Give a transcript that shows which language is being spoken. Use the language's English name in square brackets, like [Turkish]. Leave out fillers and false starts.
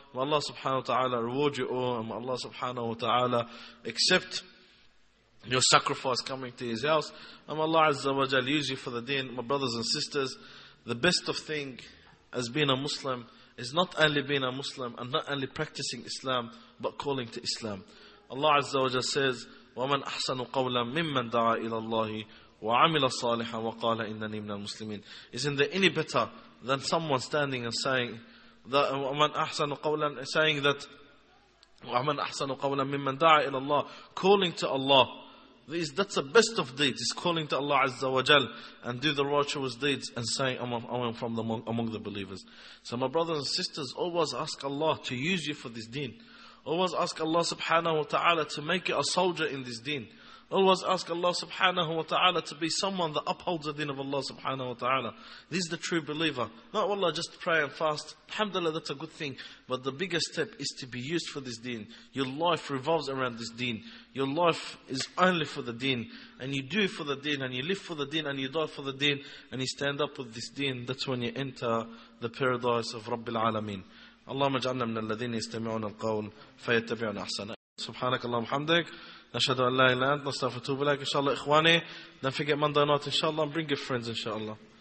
[English] May Allah subhanahu wa ta'ala reward you all, and may Allah subhanahu wa ta'ala accept your sacrifice coming to His house. And may Allah Azza wa Jal use you for the deen. My brothers and sisters, the best of thing as being a Muslim is not only being a Muslim and not only practicing Islam, but calling to Islam. Allah Azza wa Jal says, [Arabic] وَمَنْ أَحْسَنُ قَوْلًا مِمَّنْ دَعَى إِلَى اللَّهِ وَعَمِلَ صَالِحًا وَقَالَ إِنَّنِي مِنَ الْمُسْلِمِينَ. [English] Isn't there any better than someone standing and saying that, [Arabic] وَمَنْ أَحْسَنُ قَوْلًا, [English] saying that, [Arabic] وَمَنْ أَحْسَنُ قَوْلًا مِمَّنْ دَعَى إِلَى اللَّهِ, [English] calling to Allah. That's the best of deeds, is calling to Allah Azza wa Jal and do the righteous deeds and saying, I'm from the, among the believers. So my brothers and sisters, always ask Allah to use you for this deen. Always ask Allah subhanahu wa ta'ala to make you a soldier in this deen. Always ask Allah subhanahu wa ta'ala to be someone that upholds the deen of Allah subhanahu wa ta'ala. This is the true believer. Not Allah, just pray and fast. Alhamdulillah, that's a good thing. But the biggest step is to be used for this deen. Your life revolves around this deen. Your life is only for the deen. And you do for the deen, and you live for the deen, and you die for the deen, and you stand up with this deen. That's when you enter the paradise of Rabbil Alameen. [Arabic] اللهم اجعلنا من الذين يستمعون القول فيتبعون احسنه سبحانك اللهم وبحمدك نشهد ان لا اله الا انت نستغفرك ونتوب اليك ان شاء الله اخواني [English] don't forget Monday night inshallah bring your friends inshallah